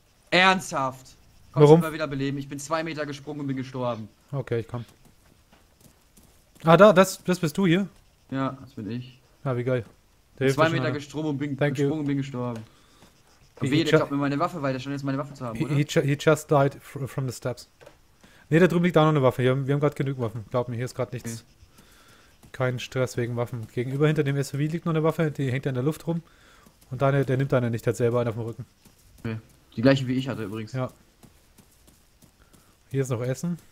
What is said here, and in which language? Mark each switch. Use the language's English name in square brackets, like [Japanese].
[German] Ernsthaft? Kommst Warum? Du mal wieder beleben? Ich bin 2 Meter gesprungen und bin gestorben. Okay, ich komm. Ah, da, das bist du hier. Ja, das bin ich. Ja, wie geil. 2 Meter gesprungen und bin gestorben. Und wehe, der klappt mir meine Waffe, weil der schon jetzt meine Waffe zu haben, oder? [English] He just died from the steps. [German] Ne, da drüben liegt auch noch eine Waffe. Wir haben gerade genügend Waffen. Glaub mir, hier ist gerade nichts. Okay. Kein Stress wegen Waffen. Gegenüber hinter dem SUV liegt noch eine Waffe, die hängt ja in der Luft rum. Und der nimmt deine nicht, der hat selber einen auf dem Rücken. Okay. Die gleiche wie ich hatte übrigens. Ja. Hier ist noch Essen.